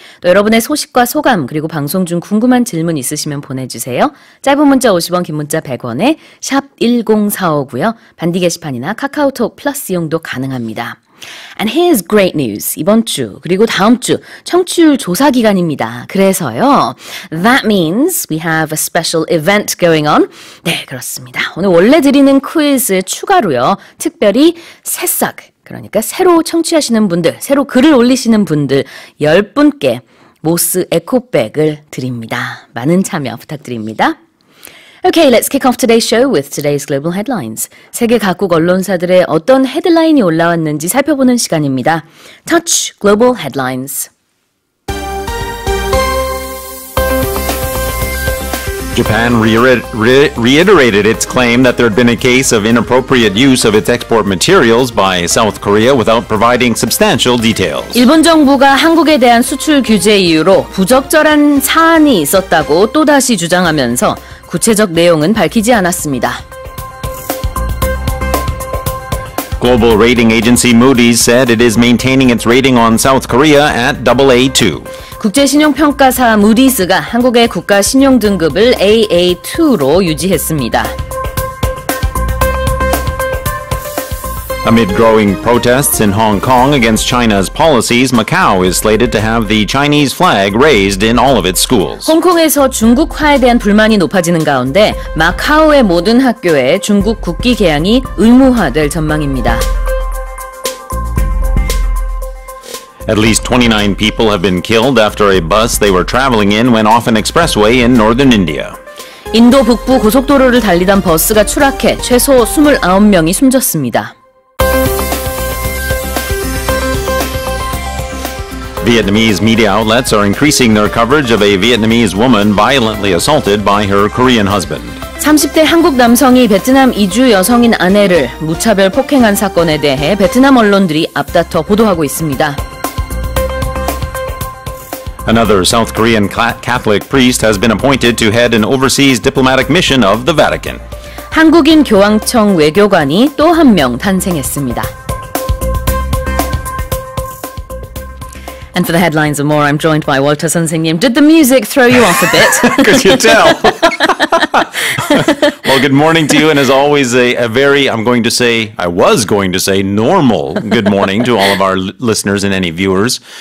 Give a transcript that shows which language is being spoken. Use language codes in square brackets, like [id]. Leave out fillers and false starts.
[ko] 또 여러분의 소식과 소감 그리고 방송 중 궁금한 질문 있으시면 보내주세요. 짧은 문자 50원, 긴 문자 100원에 샵 1045고요. 반디 게시판이나 카카오톡 플러스 이용도 가능합니다. [en] And here's great news. [ko] 이번 주 그리고 다음 주 청취율 조사 기간입니다. 그래서요. [en] That means we have a special event going on. [ko] 네, 그렇습니다. 오늘 원래 드리는 퀴즈 추가로요. 특별히 새싹, 그러니까 새로 청취하시는 분들, 새로 글을 올리시는 분들 10분께 모스 에코백을 드립니다. 많은 참여 부탁드립니다. [en] Okay, let's kick off today's show with today's global headlines. [ko] 세계 각국 언론사들의 어떤 헤드라인이 올라왔는지 살펴보는 시간입니다. [en] Touch Global Headlines. Japan reiterated its claim that there had been a case of inappropriate use of its export materials by South Korea without providing substantial details. [ko] 일본 정부가 한국에 대한 수출 규제 이유로 부적절한 사안이 있었다고 또다시 주장하면서 구체적 내용은 밝히지 않았습니다. [en] Global rating agency Moody's said it is maintaining its rating on South Korea at AA2. [ko] 국제신용평가사 Moody's가 한국의 국가신용등급을 AA2로 유지했습니다. [en] Amid growing protests in Hong Kong against China's policies, Macau is slated to have the Chinese flag raised in all of its schools. [ko] 홍콩에서 중국화에 대한 불만이 높아지는 가운데 마카오의 모든 학교에 중국 국기 개양이 의무화될 전망입니다. [en] At least 29 people have been killed after a bus they were traveling in went off an expressway in northern India. [ko] 인도 북부 고속도로를 달리던 버스가 추락해 최소 29명이 숨졌습니다. [en] Vietnamese media outlets are increasing their coverage of a Vietnamese woman violently assaulted by her Korean husband. [ko] 30대 한국 남성이 베트남 이주 여성인 아내를 무차별 폭행한 사건에 대해 베트남 언론들이 앞다퉈 보도하고 있습니다. [en] Another South Korean Catholic priest has been appointed to head an overseas diplomatic mission of the Vatican. [ko] 한국인 교황청 외교관이 또 한 명 탄생했습니다. [en] And for the headlines and more, I'm joined by Walter 선생님. Did the music throw you off a bit? Could you tell? Well, good morning to you, and as always, I was going to say normal good morning to all of our listeners and any viewers.